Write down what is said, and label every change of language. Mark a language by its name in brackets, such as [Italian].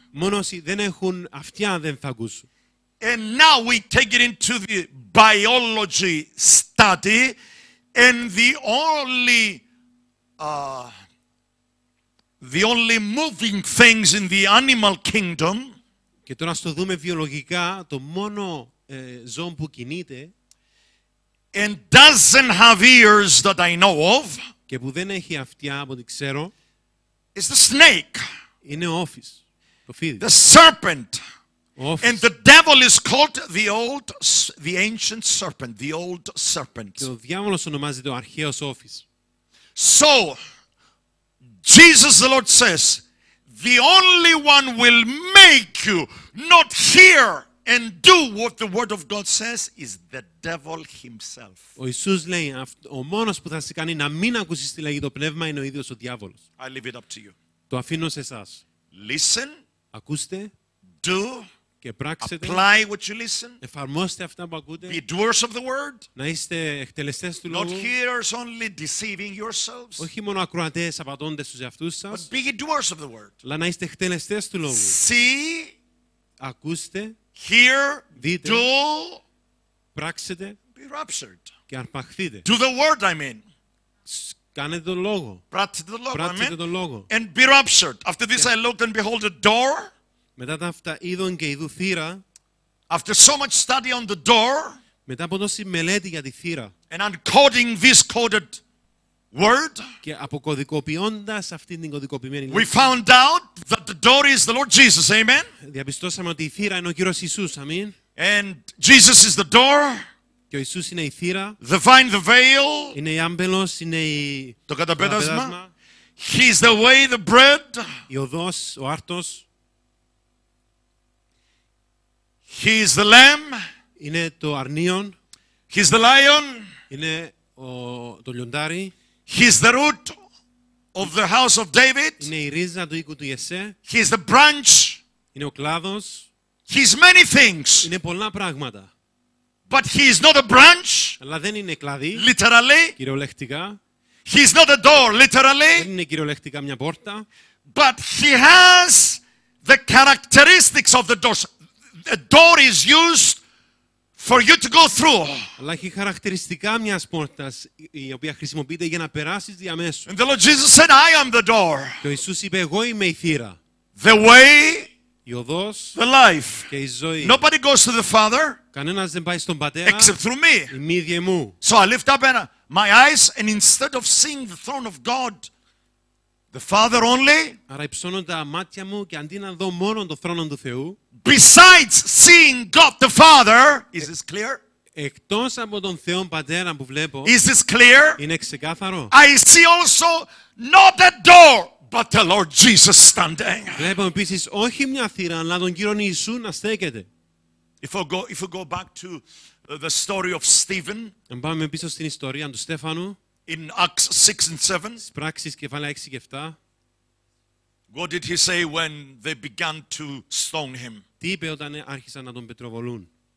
[Greek] Μόνο όσοι δεν έχουν αυτιά δεν θα ακούσουν. [English] And now we take it into the biology study, and the only moving things in the animal kingdom. [Greek] Και τώρα στο δούμε βιολογικά το μόνο ζώο που κινείται. [English] And doesn't have ears that I know of. [Greek] Και που δεν έχει αυτιά από ό,τι ξέρω. [English] Is the snake. [Greek] Είναι ο όφης. Το φίδι. [English] The serpent. And the devil is called the ancient serpent. [Greek] Και ο διάβολος ονομάζεται ο αρχαίος όφης. [English] So, Jesus the Lord says, the only one will make you not hear and do what the word of God says is the devil himself. [Greek] Ο Ιησούς λέει, ο μόνος που θα σε κάνει να μην ακούσεις τι λέγει το Πνεύμα είναι ο ίδιος ο διάβολος. [English] I leave it up to you. [Greek] Το αφήνω σε εσάς. [English] Listen. [Greek] Ακούστε. [English] Do. [Greek] Και πράξετε, [English] apply what you listen. [Greek] Εφαρμόστε αυτά που ακούτε. [English] Be doers of the word. [Greek] Να είστε εκτελεστές του λόγου. [English] Not hearers only, deceiving yourselves. [Greek] Όχι μόνο ακροατές απατώντες τους εαυτούς σας. [English] But be doers of the word. [Greek] Αλλά να είστε εκτελεστές του λόγου. [English] See. [Greek] Ακούστε. [English] Hear. [Greek] Δείτε. [English] Do. [Greek] Πράξετε. [English] Be raptured. [Greek] Και αρπαχθείτε. [English] Do the word, I mean. [Greek] Κάνετε τον λόγο. Πράξετε τον λόγο. [English] And be raptured. After this, I looked and behold a door. [Greek] Μετά τα αυτά είδον και είδου θύρα. [English] After so much study on the door, [Greek] μετά από τόση μελέτη για τη θύρα. [English] And uncoding this coded word, [Greek] και αποκωδικοποιώντας αυτήν την κωδικοποιημένη λέξη. [English] We found out that the door is the Lord Jesus. Amen. [Greek] Διαπιστώσαμε ότι η θύρα είναι ο Κύριος Ιησούς. Αμήν. [English] And Jesus is the door. [Greek] Και ο Ιησούς είναι η θύρα. [English] The vine, the veil. [Greek] Είναι η άμπελος, είναι η... το καταπέτασμα. [English] He is the way, the bread. [Greek] Η οδός, ο άρτος. [English] He is the lamb. [Greek] Είναι το αρνίον. [English] He is the lion. [Greek] Είναι το λιοντάρι. [English] He is the root of the house of David. [Greek] Είναι η ρίζα του οίκου του Ιεσέ. [English] He is the branch. [Greek] Είναι ο κλάδος. [English] He is many things. [Greek] Είναι πολλά πράγματα. [English] But he is not a branch. [Greek] Αλλά δεν είναι κλάδι. [English] Literally. [Greek] Κυριολεκτικά. [English] He is not a door. Literally. [Greek] Δεν είναι κυριολεκτικά μια πόρτα. [English] But he has the characteristics of the doors. A door is used for you to go through. [Greek] Αλλά έχει χαρακτηριστικά μιας πόρτας η οποία χρησιμοποιείται για να περάσεις διαμέσου. [English] And the Lord Jesus said, "I am the door." [Greek] Και ο Ιησούς είπε, εγώ είμαι η θύρα. [English] The way. [Greek] Η οδός. [English] The life. [Greek] Και η ζωή. [English] Nobody goes to the Father. [Greek] Κανένας δεν πάει στον Πατέρα. [English] Except through me. [Greek] Η μη διε μου. [English] So I lift up my eyes and instead of seeing the throne of God, the Father only. [Greek] Άρα υψώνω τα μάτια μου και αντί να δω μόνο το θρόνο του Θεού. [English] Besides seeing God the Father, is this clear? [Greek] Εκτός από τον Θεό Πατέρα που βλέπω, [English] is this clear? [Greek] Είναι ξεκάθαρο. [English] I see also not a door, but the Lord Jesus standing. [Greek] Βλέπω επίσης όχι μια θύρα, αλλά τον Κύριο Ιησού να στέκεται. [English] If we go back to the story of Stephen, [Greek] αν πάμε πίσω στην ιστορία του Στέφανου, [English] in Acts 6 and 7, [Greek] Πράξεις κεφάλαια 6 και 7, [English] what did he say when they began to stone him? [Greek] Τι είπε όταν άρχισαν να τον πετροβολούν?